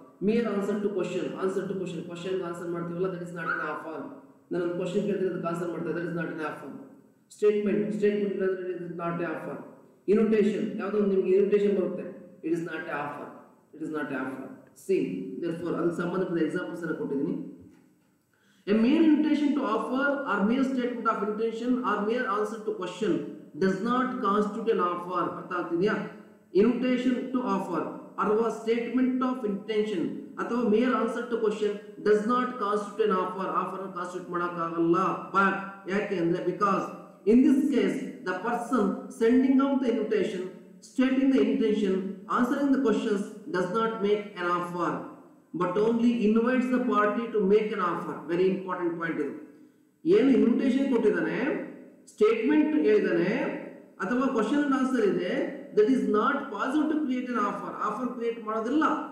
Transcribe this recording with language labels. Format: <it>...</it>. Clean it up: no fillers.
<en>mere answer to question, answer to question, question answer</en> <kn>ಮಾಡ್ತೀವಲ್ಲ,</kn> <en>That is not an offer.</en> <kn>ನನ್ನೊಂದು question ಕೇಳಿದ್ರೆ ಅದಕ್ಕೆ ಆನ್ಸರ್ ಮಾಡ್ತಾರೆ,</kn> <en>That is not an offer. Statement, statement</en> <kn>ಇಲ್ಲದ್ರೆ</kn> <en>It is not a offer. Invitation,</en> <kn>ಯಾವುದೋ ಒಂದು ನಿಮಗೆ ಇನ್ವಿಟೇಷನ್ ಬರುತ್ತೆ,</kn> <en>It is not a offer, it is not a offer.</en> <kn>C therefore ಅದಕ್ಕೆ ಸಂಬಂಧಪಟ್ಟ ಎಕ್ಸಾಂಪಲ್ಸ್ ಅನ್ನು ಕೊಟ್ಟಿದ್ದೀನಿ.</kn> <en>A mere invitation to offer or mere statement of intention or mere answer to question does not constitute an offer.</en> <kn>ಅರ್ಥಾಗ್ತಿದ್ಯಾ?</kn> <en>Invitation to offer ಅಥವಾ statement of intention ಅಥವಾ mere answer to question does not constitute an offer.</en> <kn>Offer constitute ಮಾಡೋಕ್ಕಾಗಲ್ಲ.</kn> <en>but</en> <kn>ಯಾಕೆ ಅಂದರೆ,</kn> <en>Because in this case the person sending out the invitation, stating the intention, answering the questions does not make an offer, but only invites the party to make an offer. Very important point ಇದು.</en> <kn>ಏನು invitation ಕೊಟ್ಟಿದ್ದಾನೆ, statement ಹೇಳಿದಾನೆ, ಅಥವಾ question and answer ಇದೆ,</kn> <en>That is not possible to create an offer.</en> <kn>Offer create ಮಾಡೋದಿಲ್ಲ.</kn>